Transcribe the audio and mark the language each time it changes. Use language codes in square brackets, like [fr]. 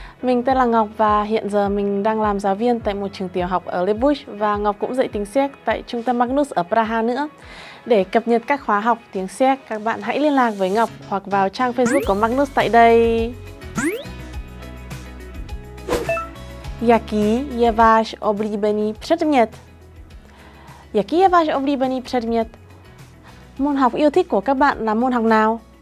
[vi] Mình tên là Ngọc và hiện giờ mình đang làm giáo viên tại một trường tiểu học ở Lebuch và Ngọc cũng dạy tiếng Séc tại trung tâm Magnus ở Praha nữa. Để cập nhật các khóa học tiếng Séc, các bạn hãy liên lạc với Ngọc hoặc vào trang Facebook của Magnus tại đây. [cs] Jaký je váš oblíbený předmět? Jaký je váš oblíbený předmět? [vi] Môn học yêu thích của các bạn là môn học nào?